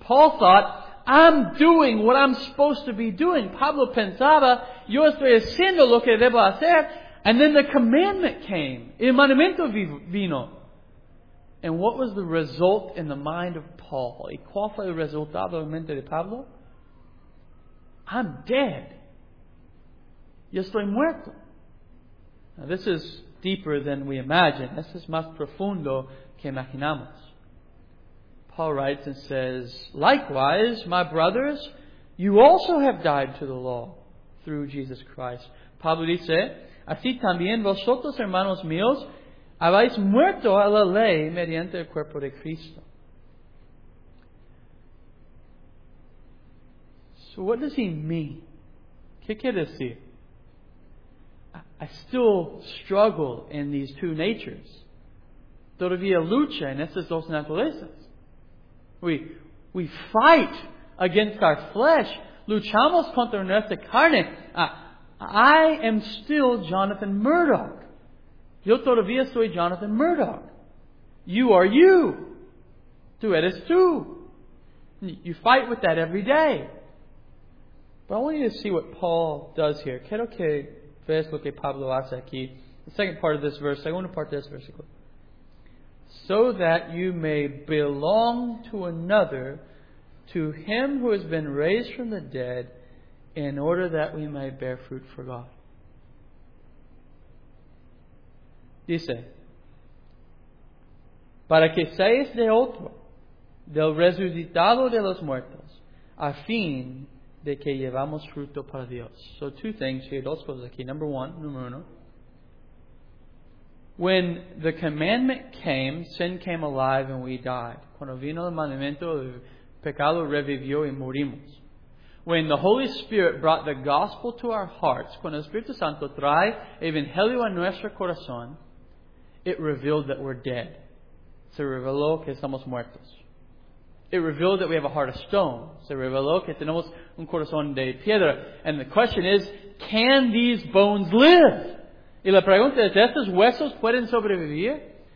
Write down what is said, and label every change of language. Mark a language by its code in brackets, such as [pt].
[en] Paul thought, I'm doing what I'm supposed to be doing. [es] Pablo pensaba, yo estoy haciendo lo que debo hacer. [en] And then the commandment came. [es] El mandamiento vino. [en] And what was the result in the mind of Paul? [es] ¿Y cuál fue el resultado en mente de Pablo? [en] I'm dead. [es] Yo estoy muerto. [en] Now, this is deeper than we imagine. This is [es] más profundo que imaginamos. [en] Paul writes and says, likewise, my brothers, you also have died to the law through Jesus Christ. [es] Pablo dice, así también vosotros, hermanos míos, habéis muerto a la ley mediante el cuerpo de Cristo. [en] So what does he mean? [es] ¿Qué quiere decir? [en] I still struggle in these two natures. [es] Todavía lucha en estas dos naturalezas. [en] We fight against our flesh. [es] Luchamos contra nuestra carne. [en] I am still Jonathan Murdoch. [es] Yo todavía soy Jonathan Murdoch. [en] You are you. [es] Tú eres tú. [en] You fight with that every day. But I want you to see what Paul does here. [es] Quiero que veas lo que Pablo hace aquí. [en] The second part of this verse, [es] segunda parte de este versículo. [en] So that you may belong to another, to him who has been raised from the dead, in order that we may bear fruit for God. [es] Dice, para que seáis de otro, del resucitado de los muertos, a fin de que llevamos fruto para Dios. [en] So two things here, [es] dos cosas aquí. [en] Number one. When the commandment came, sin came alive and we died. [es] Cuando vino el mandamiento, el pecado revivió y morimos. [en] When the Holy Spirit brought the gospel to our hearts, [es] cuando el Espíritu Santo trae evangelio a nuestro corazón, [en] it revealed that we're dead. [es] Se reveló que estamos muertos. [en] It revealed that we have a heart of stone. [es] Se reveló que tenemos un corazón de piedra. [en] And the question is, can these bones live? [es] Y la pregunta es, ¿estos huesos pueden sobrevivir?